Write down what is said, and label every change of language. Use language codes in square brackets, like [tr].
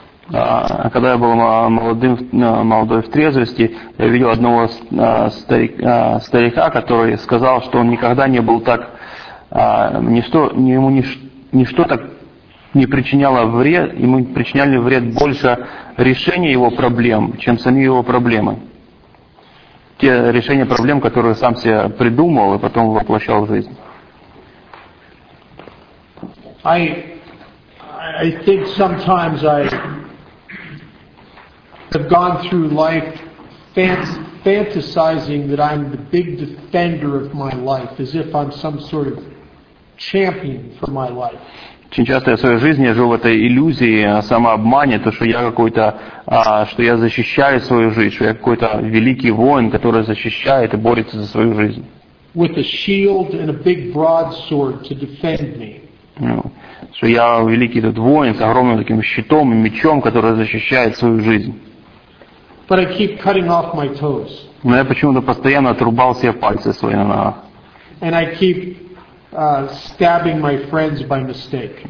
[ru] Когда я был молодой в трезвости, я видел одного старика, который сказал, что он никогда не был так, ему ничто так не причиняло вред, ему причиняли вред больше решения его проблем, чем сами его проблемы. Те решения проблем, которые сам себе придумал и потом воплощал в жизнь. [en] I think sometimes I've gone through life fantasizing that I'm the big defender of my life, as if I'm some sort of champion for my life. [ru] Очень часто я в своей жизни жил в этой иллюзии, самообмане, то, что я какой-то, что я защищаю свою жизнь, что я какой-то великий воин, который защищает и борется за свою жизнь. [en] With a shield and a big broadsword to defend me. [ru] Что я великий этот воин с огромным таким щитом и мечом, который защищает свою жизнь. [en] But I keep cutting off my toes. [ru] Но я почему-то постоянно отрубал себе пальцы свои на ногах. [en] And I keep stabbing my friends by mistake.